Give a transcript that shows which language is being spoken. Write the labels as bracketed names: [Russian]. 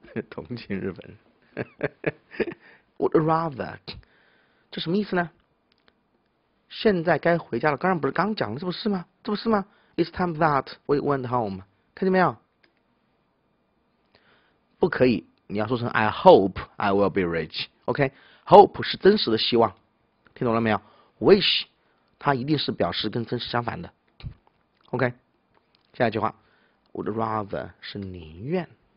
[Chinese] 同情日本 ，Would rather，这什么意思呢？现在该回家了，刚刚不是刚讲了，这不是吗？这不是吗？ [English] It's time that we went home， [Chinese] 看见没有？不可以，你要说成 [English] I hope I will be rich， [Chinese] OK？Hope 是真实的希望，听懂了没有？Wish，它一定是表示跟真实相反的，OK？下一句话，Would rather 是宁愿。